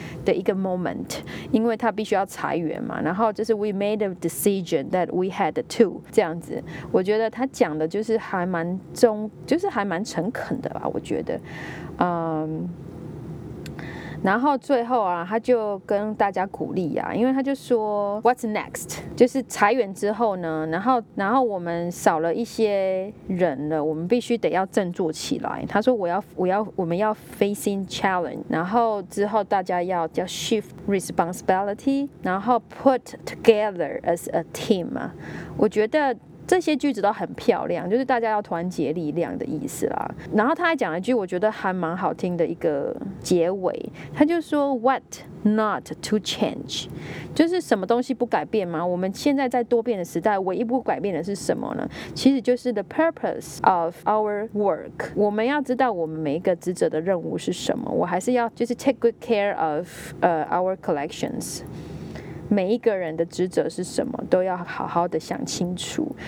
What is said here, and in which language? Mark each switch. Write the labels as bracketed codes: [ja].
[zh] 的一个 moment， 因为他必须要裁员嘛，然后就是 [en] we made a decision that we had to [zh] 这样子，我觉得他讲的就是还蛮中，就是还蛮诚恳的吧，我觉得，然后最后啊，他就跟大家鼓励啊，因为他就说 [en] What's next? [zh] 就是裁员之后呢，然后我们少了一些人了，我们必须得要振作起来。他说我们要 [en] facing challenge， [zh] 然后之后大家要 [en] shift responsibility， [zh] 然后 [en] put together as a team。 [zh] 我觉得这些句子都很漂亮，就是大家要团结力量的意思啦。然后他还讲了一句我觉得还蛮好听的一个结尾，他就说 [en] What not to change， [zh] 就是什么东西不改变吗？我们现在在多变的时代，唯一不改变的是什么呢？其实就是 [en] the purpose of our work， [zh] 我们要知道我们每一个职责的任务是什么。我还是要就是 [en] take good care of our collections， [zh] 每一个人的职责是什么都要好好的想清楚。